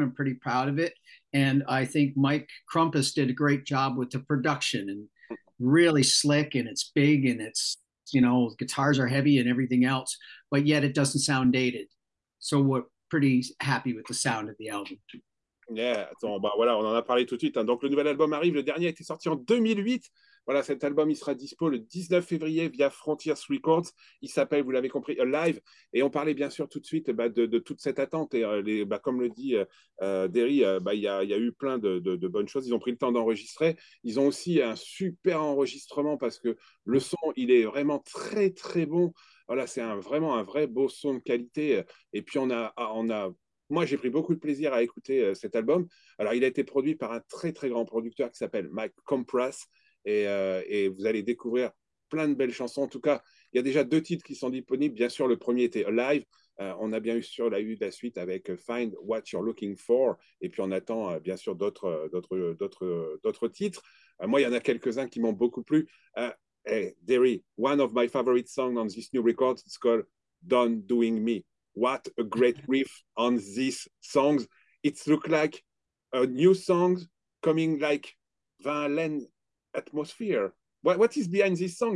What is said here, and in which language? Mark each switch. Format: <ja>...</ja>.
<en>I'm pretty proud of it, and I think Mike Krumpus did a great job with the production, and really slick, and it's big, and it's, you know, guitars are heavy and everything else, but yet it doesn't sound dated, so we're pretty happy with the sound of the album.</en> <fr>Yeah, attends, bah voilà, on en a parlé tout de suite, hein. Donc le nouvel album arrive, le dernier a été sorti en 2008. Voilà, cet album, il sera dispo le 19 février via Frontiers Records. Il s'appelle, vous l'avez compris, Alive. Et on parlait bien sûr tout de suite de toute cette attente. Et comme le dit Derry, il y a eu plein de bonnes choses. Ils ont pris le temps d'enregistrer. Ils ont aussi un super enregistrement parce que le son, il est vraiment très, très bon. Voilà, c'est vraiment un vrai beau son de qualité. Et puis, moi, j'ai pris beaucoup de plaisir à écouter cet album. Alors, il a été produit par un très, très grand producteur qui s'appelle Mike Krumpus. Et vous allez découvrir plein de belles chansons. En tout cas, il y a déjà deux titres qui sont disponibles. Bien sûr, le premier était Alive. On a bien sûr eu la suite avec Find What You're Looking For. Et puis, on attend bien sûr d'autres titres. Moi, il y en a quelques-uns qui m'ont beaucoup plu.</fr> <en>Derry, one of my favorite songs on this new record, it's called Done Doing Me. What a great riff on these songs. It looks like a new song coming like Van Halen atmosphere. What is behind this song?</en>